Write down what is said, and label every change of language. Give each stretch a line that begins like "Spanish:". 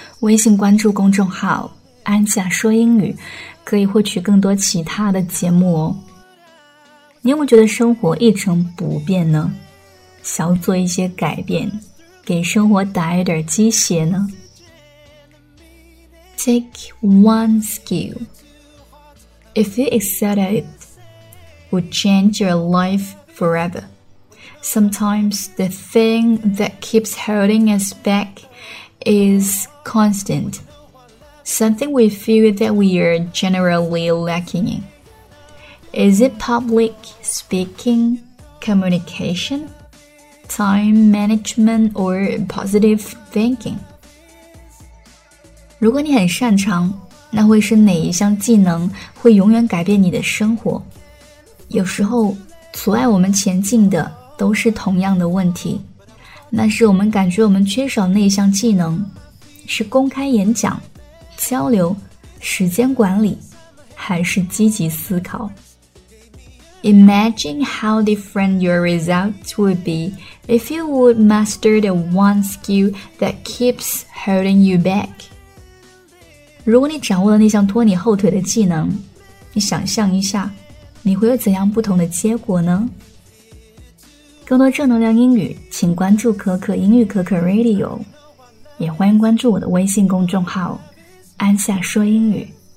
Chinese: 微信关注公众号安夏说英语，可以获取更多其他的节目哦。你有没有觉得生活一成不变呢？想要做一些改变，给生活打一点鸡血呢？
English: Take one skill. If you excel at it, will change your life forever. Sometimes the thing that keeps holding us back is constant. Something we feel that we are generally lacking in. Is it public speaking, communication, time management, or positive thinking?
Chinese: 如果你很擅长，那会是哪一项技能会永远改变你的生活？有时候，阻碍我们前进的都是同样的问题。那是我们感觉我们缺少那一项技能，是公开演讲、交流、时间管理，还是积极思考？
English: Imagine how different your results would be if you would master the one skill that keeps holding you back.
Chinese: 如果你掌握了那项拖你后腿的技能，你想象一下，你会有怎样不同的结果呢？更多正能量英语，请关注可可英语可可 Radio， 也欢迎关注我的微信公众号安夏说英语。